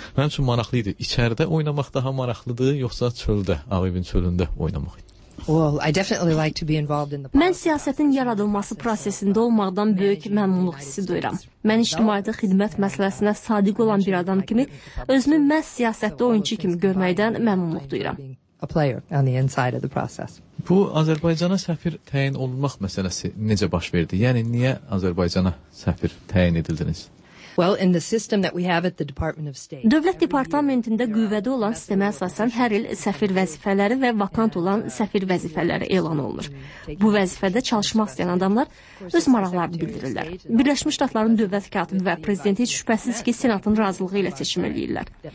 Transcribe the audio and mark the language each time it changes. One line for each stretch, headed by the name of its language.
Azerbaijani: Mənim üçün maraqlı idi. İçəridə oynamaq daha maraqlıdır, yoxsa çöldə, Ağevin çölündə oynamaq? Mən siyasətin yaradılması prosesində olmaqdan böyük məmnunluq hissi duyuram. Mən ictimaiyyətə xidmət məsələsinə sadiq olan bir adam kimi özümü məhz siyasətdə oyunçu kimi görməkdən məmnunluq duyuram.
English: A player on the inside of the process.
Azerbaijani: Bu Azərbaycana səfir təyin olunmaq məsələsi necə baş verdi? Yəni niyə Azərbaycana səfir təyin edildiniz?
English: Well, in the system that we have at the Department of State.
Azerbaijani: Dövlət departamentində qüvvədə olan sistemə əsasən hər il səfir vəzifələri və vakant olan səfir vəzifələri elan olunur. Bu vəzifədə çalışmaq istəyən adamlar öz maraqlarını bildirirlər. Birləşmiş Ştatların dövlət katibi və prezidenti şübhəsiz ki, senatın razılığı ilə seçim eləyirlər.